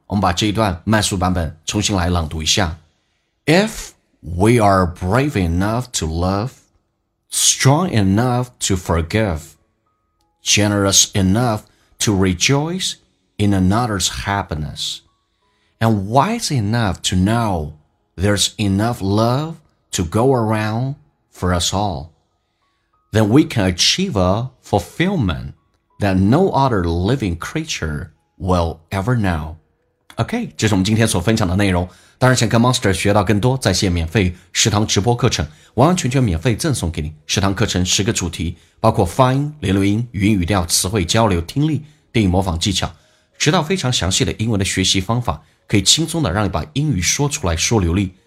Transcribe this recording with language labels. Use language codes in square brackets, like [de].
[zh] 我们把这一段慢速版本重新来朗读一下。 [en] If we are brave enough to love, strong enough to forgive, generous enough to rejoice in another's happiness, and wise enough to know there's enough love to go around for us all, then we can achieve a fulfillment that no other living creature will ever know. [zh] OK, 这是我们今天所分享的内容。当然想跟 Monster 学到更多在线免费食堂直播课程，完完全全免费赠送给你。食堂课程十个主题，包括发音、连读音、语音语调、词汇交流、听力、电影模仿技巧，直到非常详细的英文的学习方法，可以轻松的让你把英语说出来说流利。